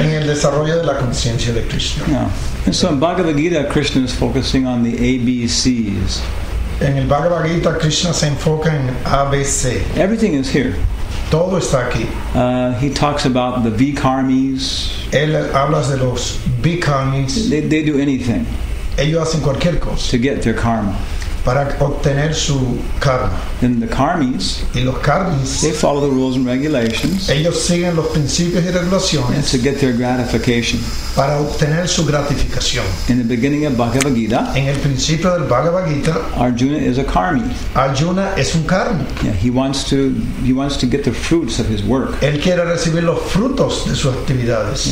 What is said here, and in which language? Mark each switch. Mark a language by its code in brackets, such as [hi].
[es] En el desarrollo de la conciencia de Krishna. [en] And so in Bhagavad Gita, Krishna is focusing on the ABCs. [es] En el Bhagavad Gita, Krishna se enfoca en ABC. [en] Everything is here. [es] Todo está aquí. [en] He talks about the Vikarmis. [es] Él habla de los Vikarmis. [en] They do anything. [es] Ellos hacen cualquier cosa. [en] To get their karma. [es] Para obtener su karma. [en] Then the Karmis. [es] Y los Karmis. [en] They follow the rules and regulations. [es] Ellos siguen los principios y regulaciones. [en] And to get their gratification. [es] Para obtener su gratificación. [en] In the beginning of Bhagavad Gita. [es] En el principio del Bhagavad Gita. [en] Arjuna is a Karmi. [es] Arjuna es un Karmi. [en] Yeah, he wants to get the fruits of his work. [es] Él quiere recibir los frutos de sus actividades.